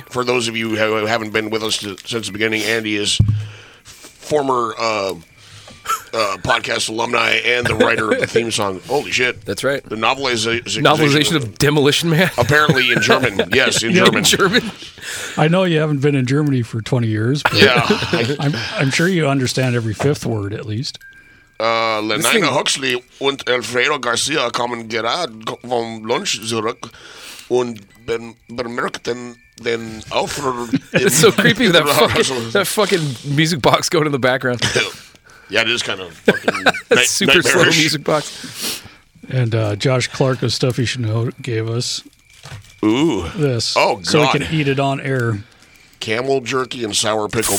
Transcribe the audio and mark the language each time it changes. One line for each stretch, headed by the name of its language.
English: For those of you who haven't been with us since the beginning, Andy is former podcast alumni and the writer of the theme song. Holy shit. That's right. The novelization. Novelization of Demolition Man. Apparently in German. Yes, in German. In German. I know you haven't been in Germany for 20 years, but yeah, I'm sure you understand every fifth word at least.
German: Lenina Huxley und Alfredo Garcia kommen gerade vom Lunch zurück und bemerkten den Aufruhr.
English: It's so creepy, that fucking music box going in the background. Yeah, it is kind of fucking super slow music box. And Josh Clark of Stuff You Should Know gave us ooh. This. Oh, God. So we can eat it on air. Camel jerky and sour pickle